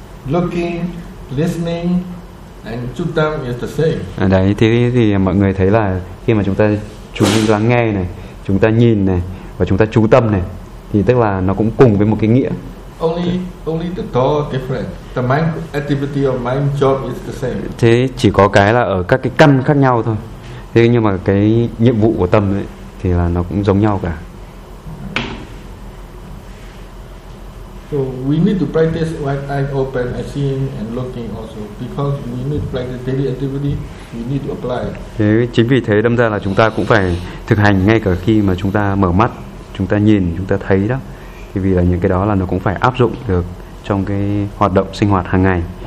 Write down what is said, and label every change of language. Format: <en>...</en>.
<en>Looking, listening, and</en> <vi>chúng ta</vi> <en>is the same.</en> <vi>Đấy thì mọi người thấy là khi mà chúng ta chú ý lắng nghe này, chúng ta nhìn này và chúng ta chú tâm này thì tức là nó cũng cùng với một cái nghĩa.</vi> <en>Only the thought different. The mind activity or mind job is the same.</en> <vi>Thế chỉ có cái là ở các cái căn khác nhau thôi. Thế nhưng mà cái nhiệm vụ của tâm ấy thì là nó cũng giống nhau cả.</vi> <en>So we need to practice with eyes open and seeing and looking also because we need to practice daily activity. We need to apply.</en> <vi>Thế chính vì thế đâm ra là chúng ta cũng phải thực hành ngay cả khi mà chúng ta mở mắt, chúng ta nhìn, chúng ta thấy đó. Thì vì là những cái đó là nó cũng phải áp dụng được trong cái hoạt động sinh hoạt hàng ngày.</vi>